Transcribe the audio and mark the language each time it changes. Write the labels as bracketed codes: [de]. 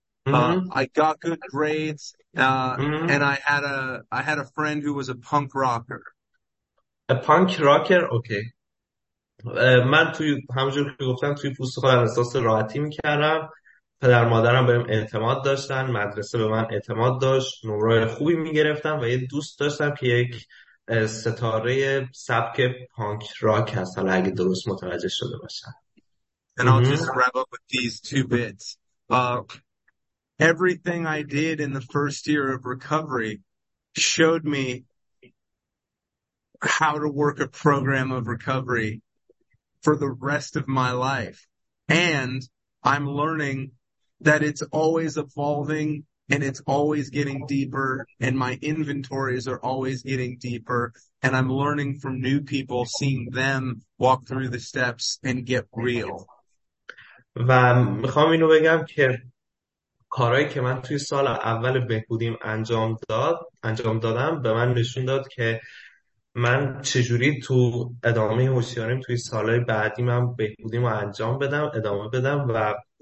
[en] I got good grades, and I had a friend who was a punk rocker. A punk rocker, okay. [fa] من توی همونجور که گفتم توی پوست خودم احساس راحتی میکردم، پدر مادرم بهم اعتماد داشتن، مدرسه به من اعتماد داشت، نمره خوبی میگرفتم و یه دوست داشتم که یک ستاره سبک پانک راک هست، حالا اگه درست متوجه شده باشم. [en] And I'll just wrap up with these two bits. Everything I did in the first year of recovery showed me how to work a program of recovery for the rest of my life. And I'm learning that it's always evolving and it's always getting deeper and my inventories are always getting deeper and I'm learning from new people, seeing them walk through the steps and get real. [fa] و میخوام اینو بگم که کارهایی که من توی سال اول بهبودیم انجام دادم به من نشون داد که من چجوری تو ادامه هوشیاریم توی سالهای بعدی من بهبودیم رو انجام بدم، ادامه بدم و